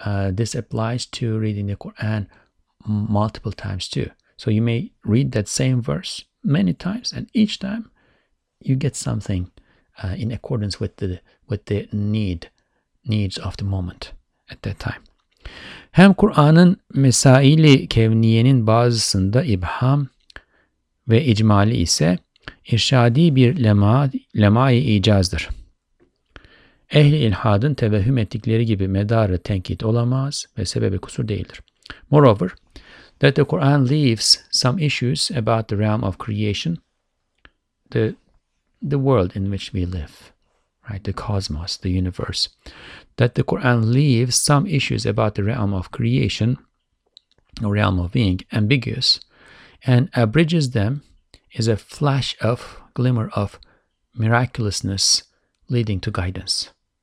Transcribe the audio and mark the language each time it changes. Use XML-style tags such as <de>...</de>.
<en>This applies to reading the Quran multiple times too. So you may read that same verse many times, and each time you get something in accordance with the needs of the moment at that time.</en> <tr>Hem Kur'an'ın mesaili kevniyenin bazısında ibham ve icmali ise irşadi bir lemai icazdır. Ehli ilhadın tevehhüm ettikleri gibi medarı tenkit olamaz ve sebebi kusur değildir.</tr> <en>Moreover, that the Quran leaves some issues about the realm of creation, the world in which we live, right? The cosmos, the universe. That the Quran leaves some issues about the realm of creation, or realm of being, ambiguous, and abridges them is a flash of glimmer of miraculousness leading to guidance.</en>